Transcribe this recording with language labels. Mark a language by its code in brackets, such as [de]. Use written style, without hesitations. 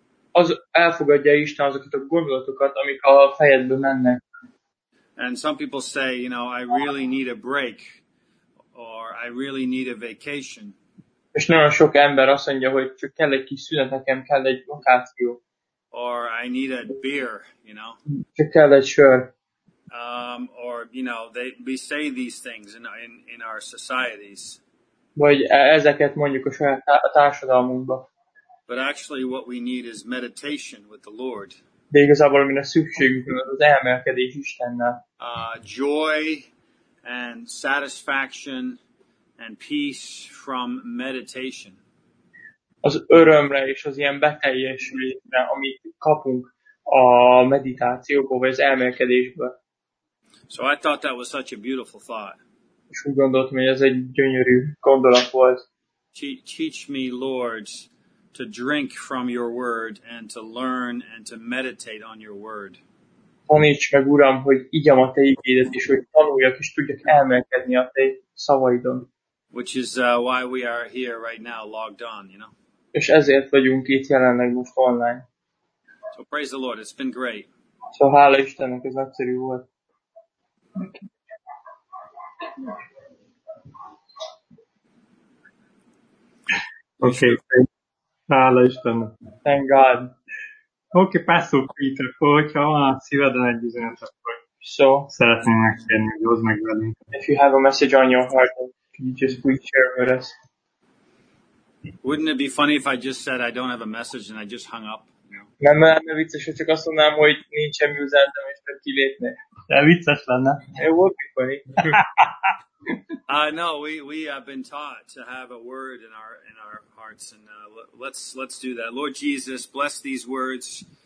[hu] Az elfogadja Isten azokat a gondolatokat, amik a fejedbe mennek. [en] And some people say, you know, I really need a break, or I really need a vacation. [hu] És nagyon sok ember azt mondja, hogy csak kell egy kis szünet, nekem kell egy vakáció. [en] Or I need a beer, you know. [hu] Csak kell egy sör. [en] Or, you know, we say these things in our societies. [hu] Vagy ezeket mondjuk a saját társadalmunkba. [en] But actually what we need is meditation with the Lord. [hu] De igazából mi a szükségünk az elmélkedés Istennel. [en] Joy and satisfaction and peace from meditation. [hu] Az örömre és az ilyen beteljesülésre, amit kapunk a meditációból, vagy az elmélkedésből. [en] So I thought that was such a beautiful thought. [hu] És úgy gondoltam, hogy ez egy gyönyörű gondolat volt. [en] Teach me, Lord, to drink from your word and to learn and to meditate on your word. [hu] Taníts meg, Uram, hogy igyam a te ígédet, és hogy tanuljak és tudjak elmélkedni a te szavaidon. [en] Which is why we are here right now logged on, you know. [hu] És ezért vagyunk itt jelenleg most online. [en] So praise the Lord, it's been great. [hu] So hála Istennek, ez nagyszerű volt. Okay. Hála Istennek. [en] Thank God. [hu] Oké, Pastor Peter, hogyha van a szíveden egy üzenet, akkor [en] so, [hu] szeretném megkérni, hogy hozd meg velünk. [en] If you have a message on your heart, can you just please share with us? Wouldn't it be funny if I just said I don't have a message and I just hung up? [hu] Nem lenne vicces, hogy csak azt mondanám, hogy nincs semmi üzenetem, és csak kilépnék. De vicces lenne. [en] It would be funny. No, we have been taught to have a word in our hearts, and let's do that. Lord Jesus, bless these words.